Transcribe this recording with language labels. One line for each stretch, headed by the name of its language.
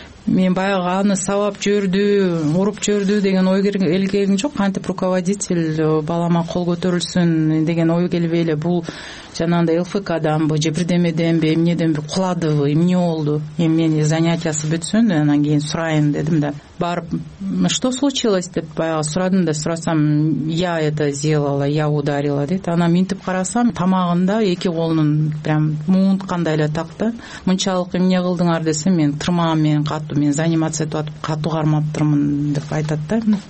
Kyrgyz: Мен баягы аны сабап жүрдү, уруп жүрдү деген ой келген жок. Кантип руководитель балама кол көтөрүлсүн деген ой келип эле бул жанагындай ЛФКданбы же бирдемеденби, эмнеденби куладыбы, эмне болду? Эмне занятиясы бүтсүн, анан кийин сурайын дедим да. Барып,
Russian: что случилось
Kyrgyz: деп баягы сурадым да, сурасам,
Russian: я это сделала, я ударила
Kyrgyz: дейт. Анан минтип карасам, тамагында эки колунун прям муунткандай эле такты. Мунчалык эмне кылдыңар десем, мен тырмагым менен катуу, мен заниматься этип атып, катуу кармаптырмын деп айтат да.